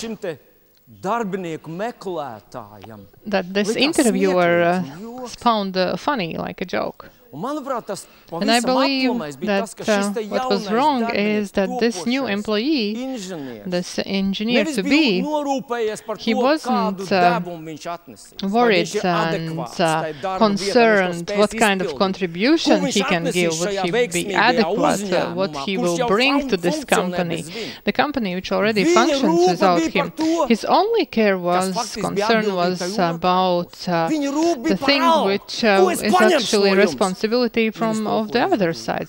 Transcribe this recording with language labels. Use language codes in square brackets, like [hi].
[lv] kas šim te darbinieku meklētājam. [en] That this interviewer found funny, like a joke. [lv] Un manuprāt, tas pavisam aplamais bija tas, ka šis te jaunais darbinieks, [en] that this new employee, this engineer to be, [lv] norūpējies par to, kādu dabumu viņš atnesīs. [en] Worried and concerned what kind of contribution he can give, would he be adequate, what he will bring to this company. The company which already functions without him. His only care was, concern was about the thing which is actually responsible from of the other side.